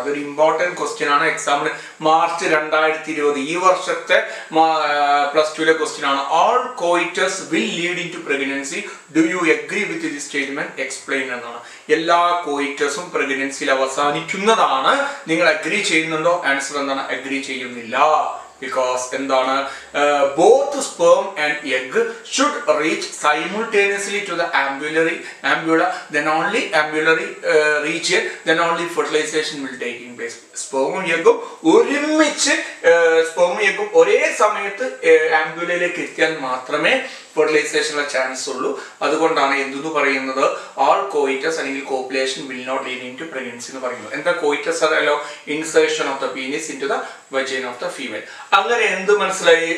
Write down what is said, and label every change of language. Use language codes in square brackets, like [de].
[ml] അതൊരു important question ആണ്. എക്സാമിന് മാർച്ച് 2020 ഈ വർഷത്തെ +2 ക്വസ്റ്റ്യൻ ആണ്. [en] All coitus will lead into pregnancy, do you agree with the statement, explain എന്നാണ്. [ml] എല്ലാ കോയിറ്റസും പ്രഗ്നൻസിയിൽ അവസാനിക്കുന്നതാണ്. നിങ്ങൾ അഗ്രി ചെയ്യുന്നുണ്ടോ? ആൻസർ എന്താണ്? അഗ്രി ചെയ്യുന്നില്ല. [en] Because [ml] endana [en] both sperm and egg should reach simultaneously to the ambula, then only ambulary reach it, then only fertilization will take in place. [ml] സ്പേമും എഗും ഒരുമിച്ച് സ്പേമും എഗും ഒരേ സമയത്ത് ആംബുലയിലേക്ക് എത്തിയാൽ മാത്രമേ ഫെർട്ടിലൈസേഷനുള്ള ചാൻസ് ഉള്ളൂ. അതുകൊണ്ടാണ് എന്തെന്ന് പറയുന്നത് [en] all coitus അല്ലെങ്കിൽ copulation will not lead into pregnancy [ml] എന്ന് പറയുന്നത്. എന്താ കോയിറ്റസ് അറിയാലോ? [en] Insertion of the penis into the vagina of the female. [ml] അങ്ങനെ എന്ത് മനസ്സിലായി?